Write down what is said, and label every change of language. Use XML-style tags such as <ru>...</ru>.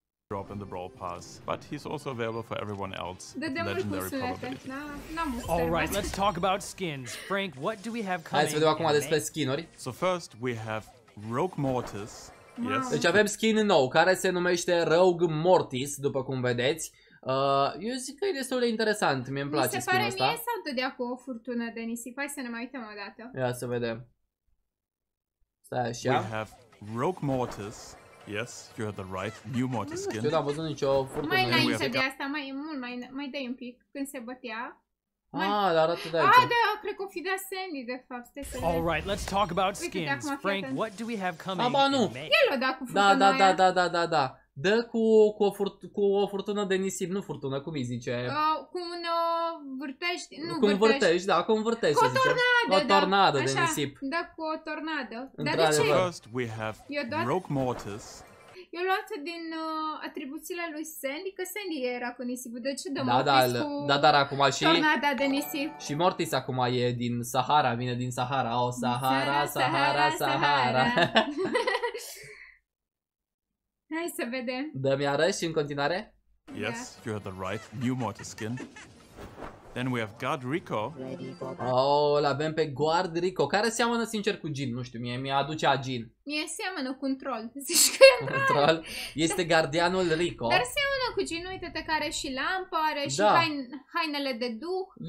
<en>Drop in the brawl pass, but he's also available for everyone else. The legendary probability. All right, let's talk about skins. Frank, what do we have coming?</en> <ro>Hai să vedem acum despre skin-uri.</ro> <en>So first we have Rogue Mortis. Yes.</en> <ro>Deci avem skin nou care se numește Rogue Mortis, după cum vedeți. Eu zic că e destul de interesant, mie îmi place skin-ul ăsta. Mi se pare mie sau dădea cu o furtună de nisip. Hai să ne mai uităm o dată. Ia să vedem. Stai așa.</ro> <en>We have Rogue Mortis. Yes, you have the right new Mortis skin.</en> <ro>Nu știu, am văzut nicio furtună. Mai înainte de asta, mai dai un pic când se bătea. Ah, dar arată de aici. Ah, da, cred că o fi de Sandy, de fapt.</ro> <en>All right, let's talk about skins. Frank, what do we have coming?</en> <ro>Aba, nu. El o dă cu furtună. Da, da, da, da, da, da. Dă cu o furtună de nisip, nu furtună, cum îi zice? Cu un vârtej. Da, cu un vârtej, să zicem. Cu o tornadă, o tornadă de nisip. Dă cu o tornadă. Dar de ce?</ro> <en>First, we have Rogue Mortis.</en> <ro>Eu luat din atribuțiile lui Sandy, că Sandy era cu nisipul, de ce dă Mortis dar acum și tornada de nisip? Și Mortis acum e din Sahara, vine din Sahara, o Sahara, Sahara, Sahara, Sahara. Sahara. Hai să vedem. Dă-mi arăși în continuare?</ro> <en>Yes, you have the right new Mortis skin. Then we have Guard Rico.</en> <ro>Oh, l-avem pe Guard Rico, care seamănă sincer cu Jin, nu știu, mi-a aduce a Jin. Mie seamănă cu un troll, zici că e un troll. Este gardianul Rico. Dar seamănă cu Jin, uite-te, că are și lampă, are și hainele de duh.</ro>